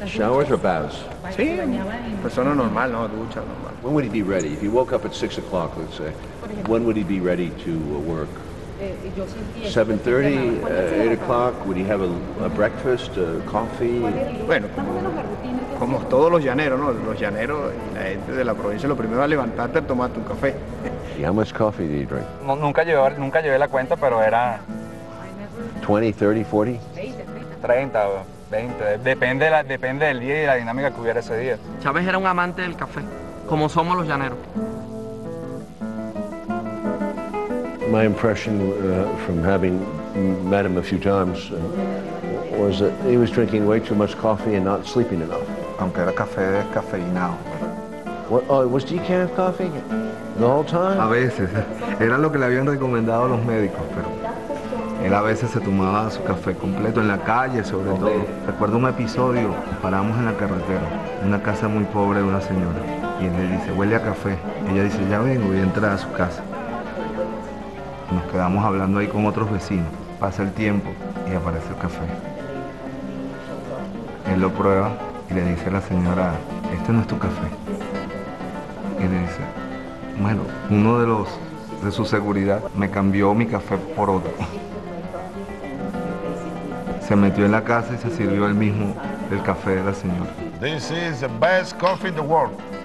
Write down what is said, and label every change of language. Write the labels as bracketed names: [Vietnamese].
[English] Showers or baths? [Spanish] Sí. Persona normal, no, ducha normal. [English] When would he be ready? If he woke up at 6 o'clock, let's say, when would he be ready to work? 7:30, 8 o'clock, would he have a breakfast, a coffee? [Spanish] Bueno, como todos los llaneros, ¿no? Los llaneros, la gente de la provincia, lo primero a levantarte es tomarte un café. [English] ¿Y how much coffee do you drink? [Spanish] No, nunca llevé la cuenta, pero era... [English] 20, 30, 40? [Spanish] 30, 20. Depende del día y la dinámica que hubiera ese día. Chávez era un amante del café, como somos los llaneros. [English] My impression from having met him a few times was that he was drinking way too much coffee and not sleeping enough. [Spanish] Aunque era café, cafeína. [English] What? Oh, was decaf coffee the whole time? [Spanish] A veces. Era lo que le habían recomendado los médicos, pero él a veces se tomaba su café completo en la calle, sobre todo. Recuerdo un episodio, paramos en la carretera, una casa muy pobre de una señora, y él le dice, huele a café. Ella dice, ya vengo, y entra a su casa. Nos quedamos hablando ahí con otros vecinos. Pasa el tiempo y aparece el café. Él lo prueba y le dice a la señora, este no es tu café. Y le dice, bueno, uno de los de su seguridad me cambió mi café por otro. Se metió en la casa y se sirvió él mismo el café de la señora. [English] This is the best coffee in the world.